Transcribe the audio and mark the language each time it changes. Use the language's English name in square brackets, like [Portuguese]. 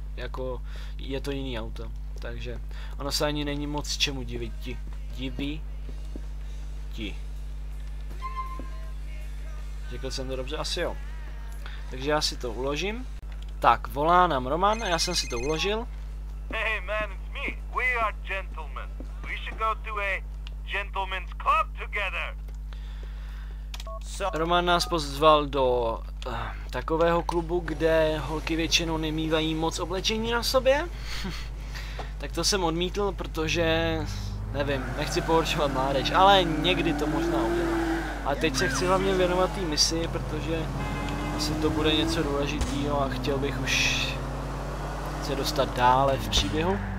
[Czech] Jako je to jiný auto, takže ono se ani není moc čemu divit. Ti. Řekl jsem to dobře? Asi jo. Takže já si to uložím. Tak, volá nám Roman, já jsem si to uložil. [English] Hey man, it's me. We are gentlemen. We should go to a gentleman's club together. [Czech] Roman nás pozval do takového klubu, kde holky většinou nemývají moc oblečení na sobě. Tak to jsem odmítl, protože nevím, nechci pohoršovat mládež, ale někdy to možná udělám. A teď se chci hlavně věnovat té misi, protože asi to bude něco důležitýho a chtěl bych už se dostat dále v příběhu.